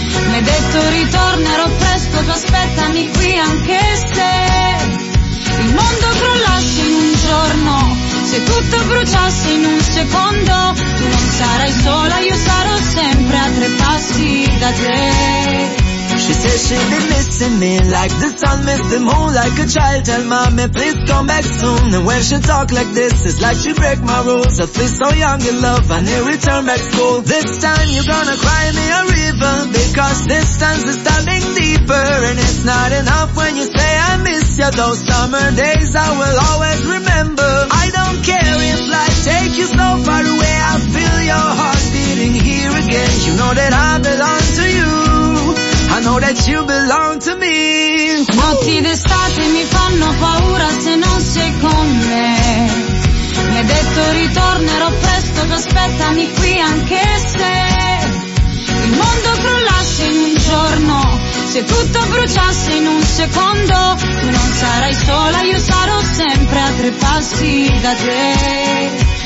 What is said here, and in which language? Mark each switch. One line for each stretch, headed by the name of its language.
Italian: Mi hai detto ritornerò presto, tu aspettami qui anche se il mondo crollasse in un giorno, se tutto bruciasse in un secondo, tu non sarai sola, io sarò sempre a tre passi da te.
English: She says she been missing me, like the sun miss the moon, like a child, tell mommy please come back soon. And when she talk like this, it's like she break my rules. I feel so young in love, I need return back school. This time you're gonna cry me a river, because this time's the stabbing deeper. And it's not enough when you say I miss you, those summer days I will always remember. I don't care if life take you so far away, I feel your heart beating here again. You know that I belong to you, I know that you belong to me.
Italian: Notti d'estate mi fanno paura se non sei con me. Mi hai detto ritornerò presto, tu aspettami qui anche se il mondo crollasse in un giorno, se tutto bruciasse in un secondo, tu non sarai sola, io sarò sempre a tre passi da te.